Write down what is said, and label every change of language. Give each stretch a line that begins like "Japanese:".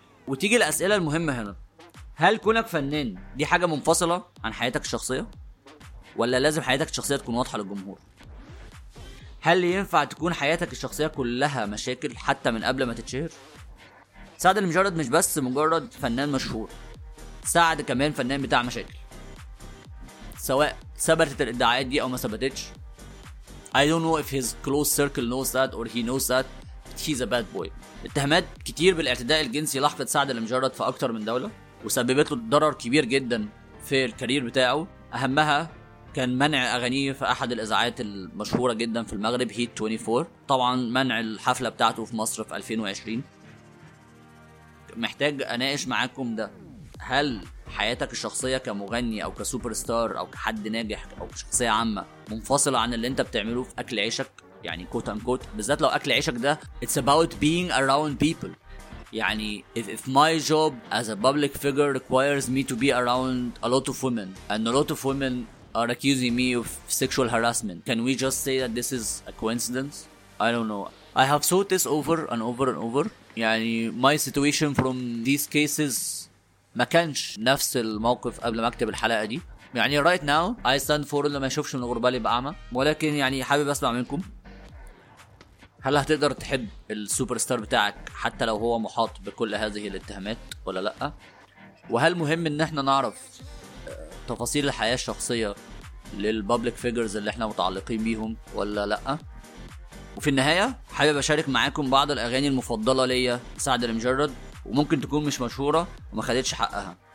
Arabic: وتيجي الاسئلة المهمة هنا، هل كونك فنان دي حاجة منفصلة عن حياتك الشخصية، ولا لازم حياتك الشخصية تكون واضحة للجمهور؟ هل ينفع تكون حياتك الشخصية كلها مشاكل حتى من قبل ما تتشهر؟ سعد المجرد مش بس مجرد فنان مشهور، سعد كمان فنان بتاع مشاكل، سواء ثبتت الادعاءات دي او ما ثبتتش.
English: I don't know if his close circle knows that or he knows that, but he's a bad boy.
Arabic: اتهامات كتير بالاعتداء الجنسي لحقت سعد المجرد في اكتر من دولة، وسببت له ضرر كبير جدا في الكارير بتاعه. اهمها كان منع اغانيه في احد الاذاعات المشهورة جدا في المغرب، Heat 24، طبعا منع الحفلة بتاعته في مصر في 2020. محتاج اناقش معاكم ده، هل حياتك الشخصية كمغني او كسوبر ستار او كحد ناجح او شخصية عامة منفصلة عن اللي انت بتعمله في اكل عيشك؟ يعني كوت ان كوت، بالذات لو اكل عيشك ده
English: it's about being around people.
Arabic: يعني
English: if my job as a public figure requires me to be around a lot of women and a lot of women are accusing me of sexual harassment, can we just say that this is a coincidence? I don't know. I have thought this over and over and over.
Arabic: يعني
English: my situation from these cases
Arabic: ما كانش نفس الموقف قبل ما اكتب الحلقة دي. يعني
English: right now I stand for
Arabic: لما اشوفش من غربالي بأعمى, ولكن يعني حابب اسمع منكم, هل هتقدر تحب السوبر ستار بتاعك حتى لو هو محاط بكل هذه الاتهامات ولا لا؟ وهل مهم ان احنا نعرف تفاصيل الحياة الشخصية للبابليك فيجرز اللي احنا متعلقين بيهم ولا لا؟ وفي النهاية حابب اشارك معاكم بعض الاغاني المفضلة ليا سعد المجرد, وممكن تكون مش مشهورة وما خدتش حقها.